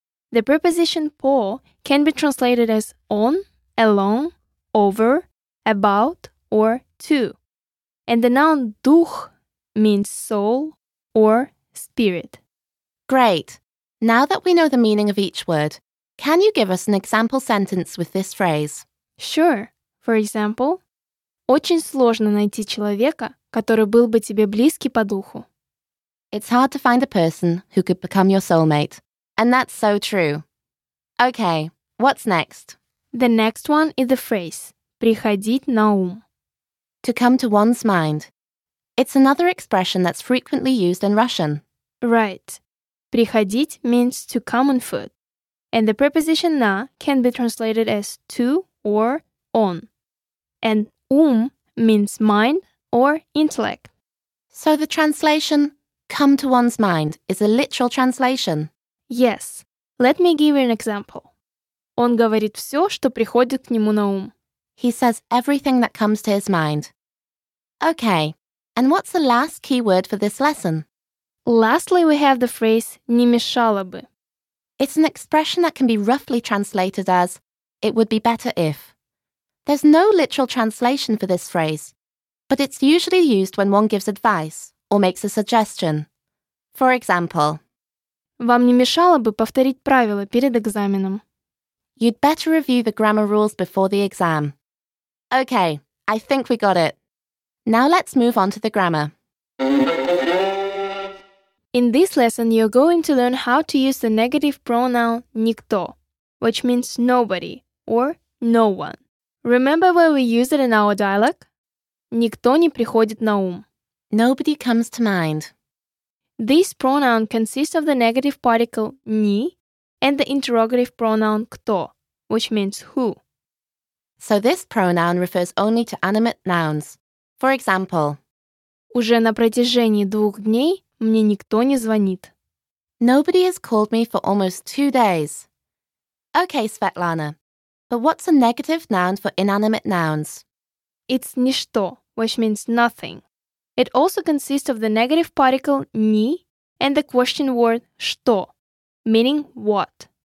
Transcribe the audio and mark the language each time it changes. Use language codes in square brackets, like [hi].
[en] The preposition по can be translated as on, along, over, about, or to. And the noun дух means soul or spirit. Great! Now that we know the meaning of each word, can you give us an example sentence with this phrase? Sure. For example, [ru] очень сложно найти человека, который был бы тебе близкий по духу. [en] It's hard to find a person who could become your soulmate. And that's so true. Okay, what's next? The next one is the phrase «приходить на ум». To come to one's mind. It's another expression that's frequently used in Russian. Right. «Приходить» means to come on foot. And the preposition «на» can be translated as «to» or «on». And «ум» means «mind» or «intellect». So the translation «come to one's mind» is a literal translation. Yes. Let me give you an example. [ru] Он говорит все, что приходит к нему на ум. [en] He says everything that comes to his mind. Okay. And what's the last key word for this lesson? Lastly, we have the phrase «не мешало бы». It's an expression that can be roughly translated as «it would be better if». There's no literal translation for this phrase, but it's usually used when one gives advice or makes a suggestion. For example, [ru] вам не мешало бы повторить правила перед экзаменом. [en] You'd better review the grammar rules before the exam. Okay, I think we got it. Now let's move on to the grammar. In this lesson, you're going to learn how to use the negative pronoun никто, which means nobody or no one. Remember where we use it in our dialogue? [ru] Никто не приходит на ум. [en] Nobody comes to mind. This pronoun consists of the negative particle ни and the interrogative pronoun кто, which means who. So this pronoun refers only to animate nouns. For example, [ru] уже на протяжении двух дней мне никто не звонит. [en] Nobody has called me for almost 2 days. Okay, Svetlana, but what's a negative noun for inanimate nouns? It's ничто, which means nothing. It also consists of the negative particle ни and the question word что, meaning what.